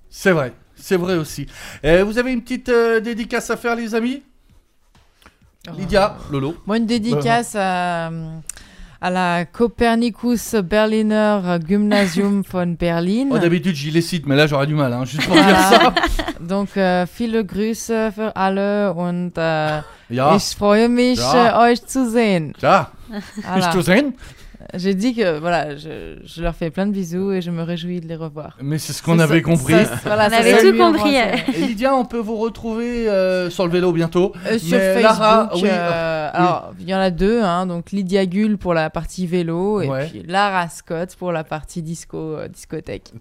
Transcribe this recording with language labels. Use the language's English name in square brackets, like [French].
[French] C'est vrai. C'est vrai aussi. Vous avez une petite dédicace à faire, les amis ? Lydia, Lolo. Moi, une dédicace à la Copernicus Berliner Gymnasium von Berlin. Oh, d'habitude, j'y les cite, mais là, j'aurais du mal, hein, juste pour dire ça. [German] Donc, viele Grüße für alle und ich freue mich, euch zu sehen. Ja, bis zu sehen. [French] J'ai dit que voilà, je leur fais plein de bisous et je me réjouis de les revoir. Mais c'est ce qu'on avait compris. On avait tout compris. Lydia, on peut vous retrouver sur le vélo bientôt. Sur Facebook. Lara, oui. Alors, il y en a deux, hein, donc Lydia Gull pour la partie vélo et puis Lara Scott pour la partie disco discothèque.